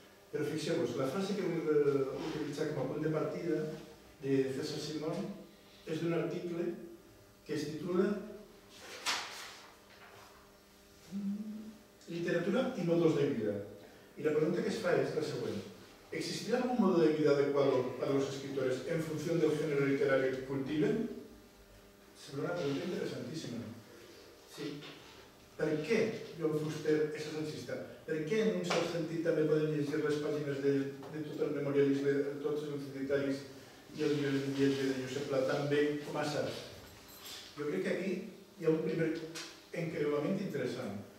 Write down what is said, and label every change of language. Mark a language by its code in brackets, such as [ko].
[ca] Però fixeu-vos, la frase que vull utilitzar com a punt de partida de César Simón és d'un article que es titula Literatura i modos de vida. I la pregunta que es fa és la següent. [es] ¿Existirà algun modo de vida adequado para los escritores en función del género literario que cultiven? [ca] Sembla una pregunta interessantíssima. Sí. Per què Joan Fuster és assagista? Per què en un cert sentit també podem llegir les pàgines de tot el memorialisme, de tots els detalls i el llibre de Josep Pla també com a assag? Jo crec que aquí hi ha un primer encreuament interessant.